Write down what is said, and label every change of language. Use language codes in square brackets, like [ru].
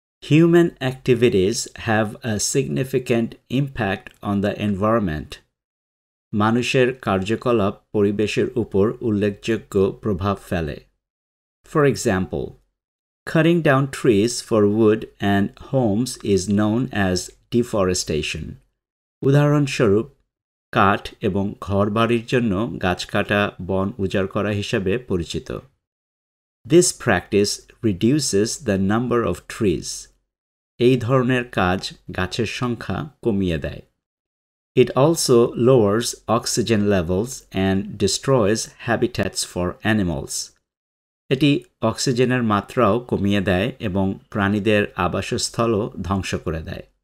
[en] Human activities have a significant impact on the environment. [bn] মানুষের কার্যকলাপ পরিবেশের উপর উল্লেখযোগ্য প্রভাব ফেলে। [en] For example, cutting down trees for wood and homes is known as deforestation. [bn] উদাহরণস্বরূপ, কাঠ এবং ঘর বাড়ির জন্য গাছ কাটা বন উজাড় করা হিসাবে পরিচিত। [en] This practice reduces the number of trees. [bn] এই ধরনের কাজ গাছের সংখ্যা কমিয়ে দেয়। [en] it also lowers oxygen levels and destroys habitats for animals, [bn] এটি অক্সিজেনের মাত্রাও কমিয়ে দেয় এবং প্রাণীদের আবাসস্থলও ধ্বংস করে দেয়।